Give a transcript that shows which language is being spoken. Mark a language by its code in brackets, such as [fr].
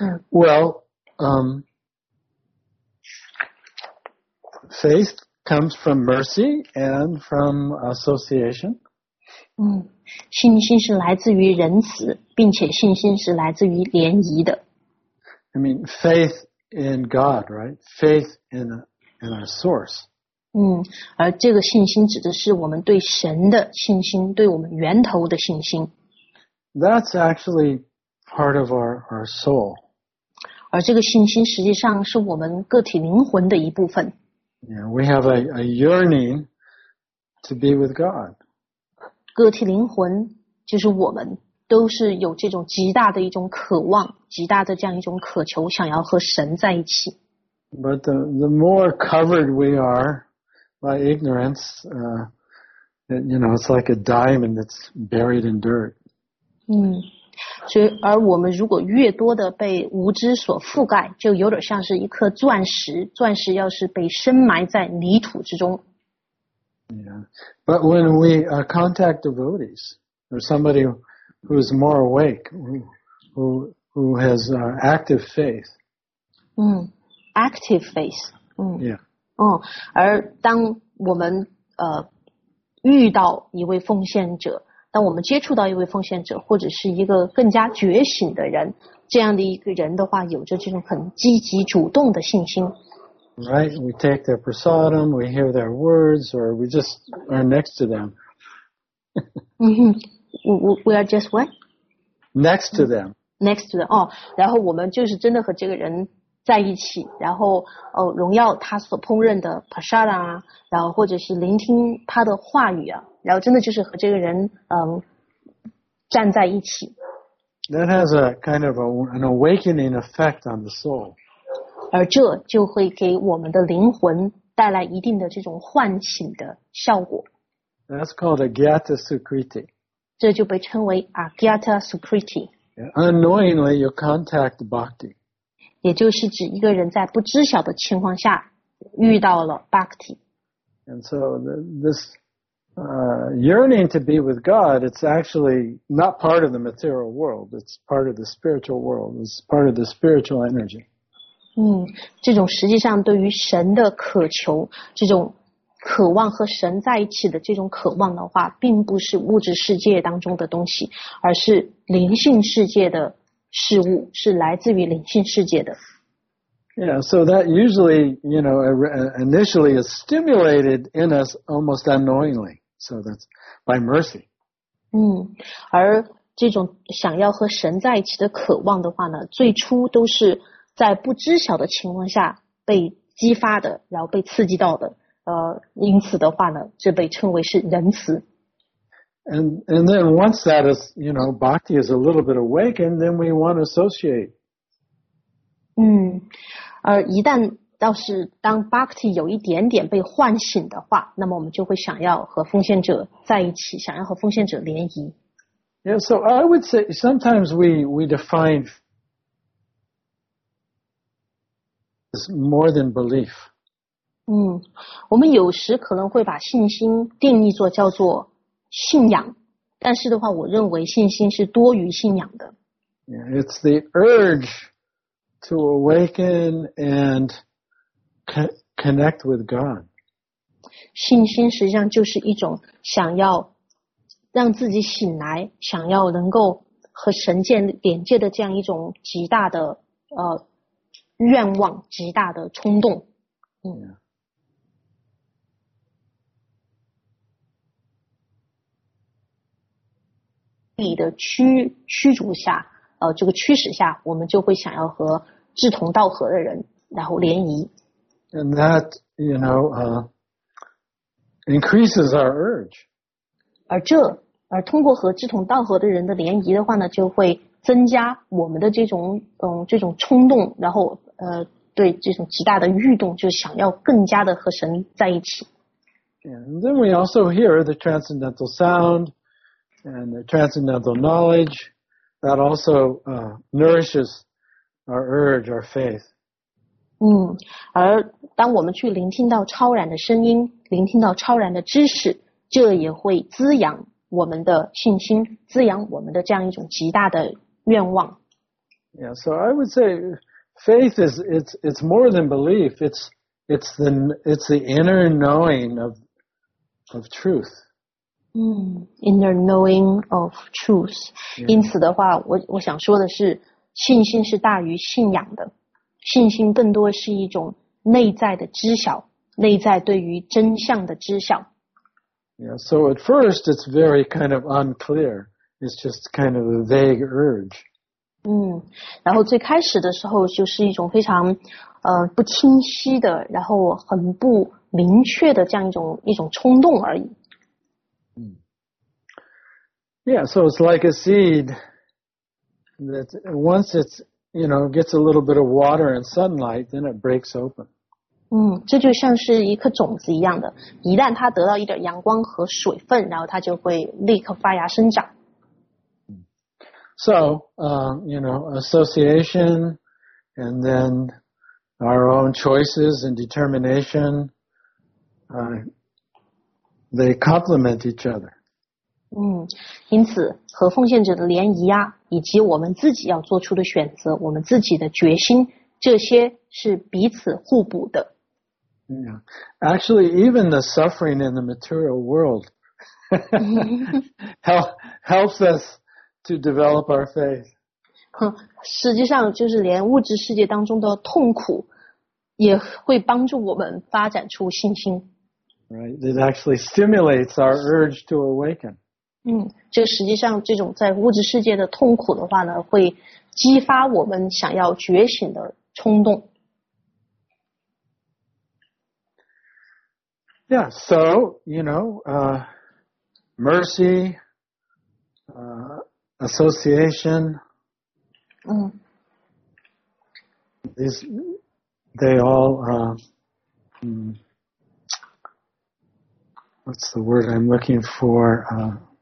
[en] Well, faith comes from mercy and from association. [zh] 信心是来自于仁慈，并且信心是来自于联谊的。 [en] I mean, faith in God, right? Faith in our source. [zh] 而这个信心指的是我们对神的信心，对我们源头的信心。 [en] That's actually part of our soul. [zh] 而这个信心实际上是我们个体灵魂的一部分。 [en] Yeah, we have a yearning to be with God. [zh] 个体灵魂就是我们都是有这种极大的一种渴望，极大的这样一种渴求，想要和神在一起。 [en] But the more covered we are by ignorance, you know, it's like a diamond that's buried in dirt. [zh] 所以而我们如果越多的被无知所覆盖，就有点像是一颗钻石，钻石要是被深埋在泥土之中。 [en] Yeah, but when we contact devotees or somebody who is more awake, who has active faith. Active faith. Yeah. [zh] 而当我们遇到一位奉献者，当我们接触到一位奉献者，或者是一个更加觉醒的人，这样的一个人的话，有着这种很积极主动的信心。 [en] Right, we take their prasadam, we hear their words, or we just are next to them. We are just what? Next to them. Next to them. [zh] 然后我们就是真的和这个人在一起，然后荣耀他所烹饪的 prasadam 啊，然后或者是聆听他的话语啊，然后真的就是和这个人站在一起。 [en] That has a kind of an awakening effect on the soul. [zh] 而这就会给我们的灵魂带来一定的这种唤醒的效果。 [en] That's called a Gyata Sukriti. [zh] 这就被称为 Agyata Sukriti。 [en] Unknowingly, you contact Bhakti. [zh] 也就是指一个人在不知晓的情况下遇到了 Bhakti. [en] And so this yearning to be with God, it's actually not part of the material world. It's part of the spiritual world. It's part of the spiritual energy. [zh] 这种实际上对于神的渴求，这种渴望和神在一起的这种渴望的话，并不是物质世界当中的东西，而是灵性世界的事物，是来自于灵性世界的。 [en] Yeah, so that usually, you know, initially is stimulated in us almost unknowingly. So that's by mercy. [zh] 而这种想要和神在一起的渴望的话呢，最初都是在不知晓的情况下被激发的，然后被刺激到的。因此的话呢，这被称为是仁慈。 [en] And then once that is, you know, bhakti is a little bit awakened, then we want to associate. [zh] 而一旦倒是当 bhakti 有一点点被唤醒的话，那么我们就会想要和奉献者在一起，想要和奉献者联谊。 [en] Yeah, so I would say sometimes we define as more than belief. [zh] 我们有时可能会把信心定义作叫做信仰，但是的话，我认为信心是多于信仰的。 [en] Yeah, it's the urge to awaken and connect with God. [zh] 信心实际上就是一种想要让自己醒来，想要能够和神见连接的这样一种极大的愿望，极大的冲动。你的驱逐下，这个驱使下，我们就会想要和志同道合的人然后联谊。 [en] And that, you know, increases our urge. [zh] 而通过和志同道合的人的联谊的话呢，就会增加我们的这种冲动，然后对这种极大的欲动，就想要更加的和神在一起。 [en] And then we also hear the transcendental sound. And the transcendental knowledge that also nourishes our urge, our faith. [zh] 而当我们去聆听到超然的声音，聆听到超然的知识，这也会滋养我们的信心，滋养我们的这样一种极大的愿望。 [en] Yeah, so I would say faith is it's more than belief. It's the inner knowing of truth. Inner knowing of truth. Yeah. [zh] 因此的话，我想说的是，信心是大于信仰的，信心更多是一种内在的知晓，内在对于真相的知晓。 [en] Yeah, so at first it's very kind of unclear. It's just kind of a vague urge. [zh] 然后最开始的时候就是一种非常不清晰的，然后很不明确的这样一种冲动而已。 [en] Yeah, so it's like a seed that once it's, you know, gets a little bit of water and sunlight, then it breaks open. [zh] 这就像是一颗种子一样的，一旦它得到一点阳光和水分，然后它就会立刻发芽生长。 [en] So, you know, association and then our own choices and determination, they complement each other. [zh] 因此和奉献者的联谊啊，以及我们自己要做出的选择，我们自己的决心，这些是彼此互补的。 [en] Actually, even the suffering in the material world helps us to develop our faith. [zh] 实际上就是连物质世界当中的痛苦也会帮助我们发展出信心。 [en] Right, it actually stimulates our urge to awaken. [zh] 这实际上这种在物质世界的痛苦的话呢，会激发我们想要觉醒的冲动。 [en] Yeah, so, you know, mercy, association, they all, what's the word I'm looking for,